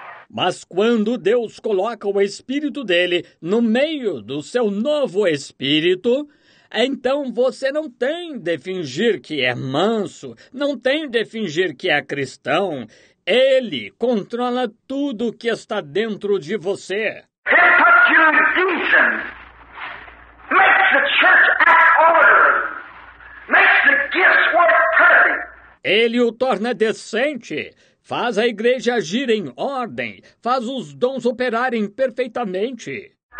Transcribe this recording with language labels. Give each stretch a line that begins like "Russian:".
Portuguese: Mas quando Deus coloca o Espírito dele no meio do seu novo Espírito, então você não tem de fingir que é manso, não tem de fingir que é cristão. Ele controla tudo o que está dentro de você. Ele
English: put you in decent, makes the church act orderly, makes the gifts work perfect.
Portuguese: Ele o torna decente. Faz a igreja agir em ordem. Faz os dons operarem perfeitamente.